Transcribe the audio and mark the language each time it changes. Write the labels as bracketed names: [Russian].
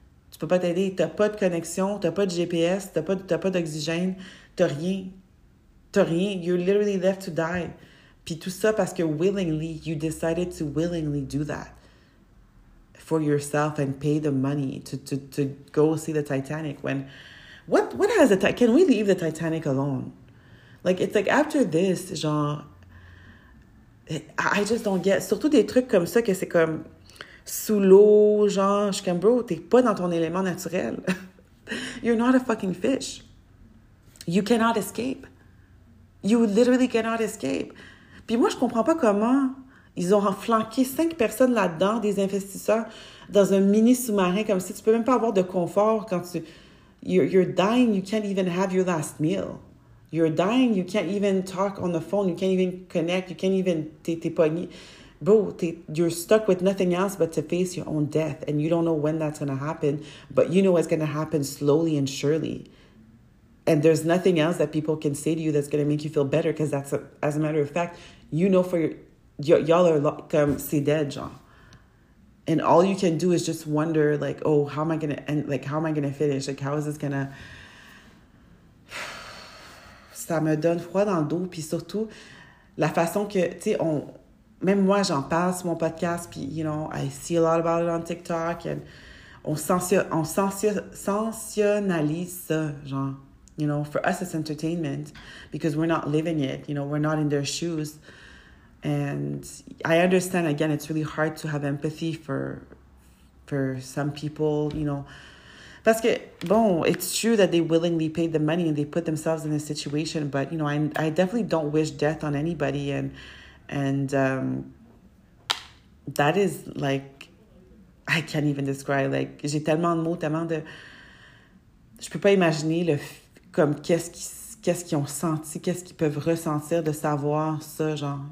[French] Tu peux pas t'aider, t'as pas de connexion, t'as pas de GPS, t'as pas d'oxygène, t'as rien, [English] you're literally left to die. [French] Puis tout ça parce que [English] willingly, you decided to willingly do that for yourself and pay the money to go see the Titanic when, what has the Titanic, can we leave the Titanic alone? Like, it's like after this, [French] genre, [English] I just don't get, [French] surtout des trucs comme ça que c'est comme, sous l'eau, genre, je suis comme, bro, t'es pas dans ton élément naturel. [English] You're not a fucking fish. You cannot escape. You literally cannot escape. [French] Puis moi, je comprends pas comment ils ont flanqué cinq personnes là-dedans, des investisseurs, dans un mini sous-marin comme ça. Tu peux même pas avoir de confort quand tu. [English] You're dying, you can't even have your last meal. You're dying, you can't even talk on the phone, you can't even connect, you can't even. [French] T'es pogné. [English] Bro, you're stuck with nothing else but to face your own death, and you don't know when that's gonna happen, but you know it's gonna happen slowly and surely. And there's nothing else that people can say to you that's gonna make you feel better, because that's a, as a matter of fact, you know for your y'all are like, [French] c'est dead, genre. [English] And all you can do is just wonder, like, oh, how am I gonna end? Like, how am I gonna finish? Like, how is this gonna. [French] Ça me donne froid dans le dos, puis surtout la façon que, tu sais, on. Même moi, j'en parle sur mon podcast, puis, [English] you know, I see a lot about it on TikTok, and [French] on sensationnalise ça, genre, [English] you know, for us, it's entertainment, because we're not living it, you know, we're not in their shoes. And I understand, again, it's really hard to have empathy for some people, you know, [French] parce que, bon, [English] it's true that they willingly paid the money and they put themselves in a situation, but, you know, I definitely don't wish death on anybody. And that is like, I can't even describe. [French] Like, j'ai tellement de mots, tellement de. Je peux pas imaginer le. Comme, qu'est-ce qu'ils ont senti, qu'est-ce qu'ils peuvent ressentir de savoir ça, genre.